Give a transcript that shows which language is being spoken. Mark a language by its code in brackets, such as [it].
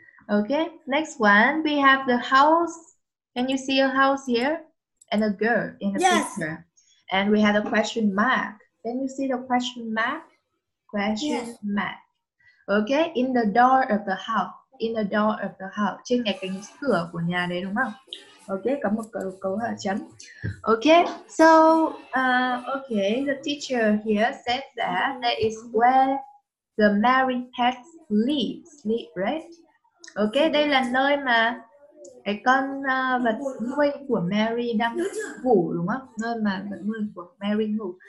[en] Okay, next one. We have the house. Can you see a house here? And a girl in the picture. And we have a question mark. Can you see the question mark? Question mark. Okay, in the door of the house. In the door of the house. [vi] Trên ngay cánh cửa của nhà đấy đúng không? Okay, có một câu hỏi chấm. [en] Okay, so okay, the teacher here said that that is where the married pet sleep, right? [vi] Okay, đây là nơi mà cái con vật nuôi của Mary đang ngủ đúng không? Nơi mà vật nuôi của Mary ngủ.